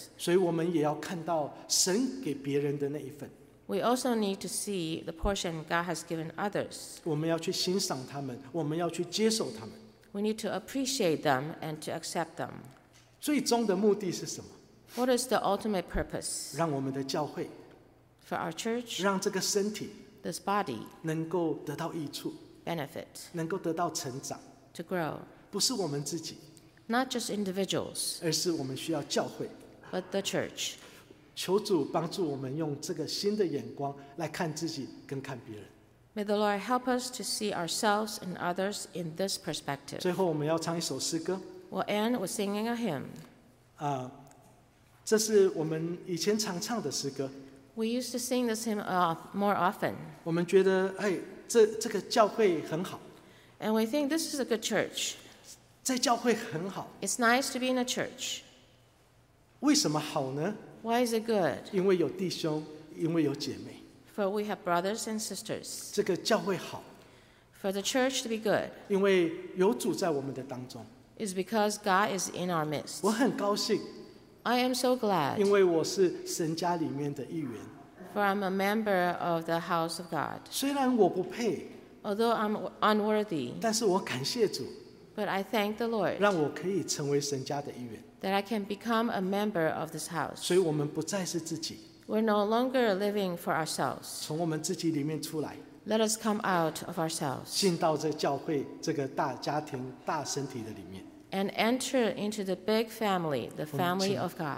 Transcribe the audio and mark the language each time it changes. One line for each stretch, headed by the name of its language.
Chinese: 所以我们也要看到神给别人的那一份。
English: We also need to see the portion God has given others.
Chinese: 我们要去欣赏他们，我们要去接受他们。
English: We need to appreciate them and to accept them.
Chinese: 最终的目的是什么？
English: What is the ultimate purpose?
Chinese: 让我们的教会，
English: for our church,
Chinese: 让这个身体，
English: this body,
Chinese: 能够得到益处，
English: benefit,
Chinese: 能够得到成长，
English: to grow,
Chinese: 不是我们自己，
English: not just individuals,
Chinese: 而是我们需要教会，
English: but the church.
Chinese: 求主帮助我们用这个新的眼光来看自己跟看别人。
English: May the Lord help us to see ourselves and others in this perspective.
Chinese: 最后我们要唱一首诗歌。
English: We'll end with singing a hymn.
Chinese: 这是我们以前常唱的诗歌。
English: We used to sing this hymn more often.
Chinese: 我们觉得，哎，这个教会很好。
English: And we think this is a good church.
Chinese: 在教会很好。
English: It's nice to be in a church.
Chinese: 为什么好呢？
English: Why is it good?
Chinese: 因为有弟兄，因为有姐妹。
English: For we have brothers and sisters.
Chinese: 这个教会好。
English: For the church to be good.
Chinese: 因为有主在我们的当中。
English: It's because God is in our midst.
Chinese: 我很高兴。
English: I am so glad.
Chinese: 因为我是神家里面的一员。
English: For I'm a member of the house of God.
Chinese: 虽然我不配。
English: Although I'm unworthy.
Chinese: 但是我感谢主。
English: But I thank the Lord.
Chinese: 让我可以成为神家的一员。
English: That I can become a member of this house.
Chinese: 所以我们不再是自己。
English: We're no longer living for ourselves.
Chinese: 从我们自己里面出来。
English: Let us come out of ourselves.
Chinese: 进到这教会，这个大家庭，大身体的里面。
English: And enter into the big family, the family of God.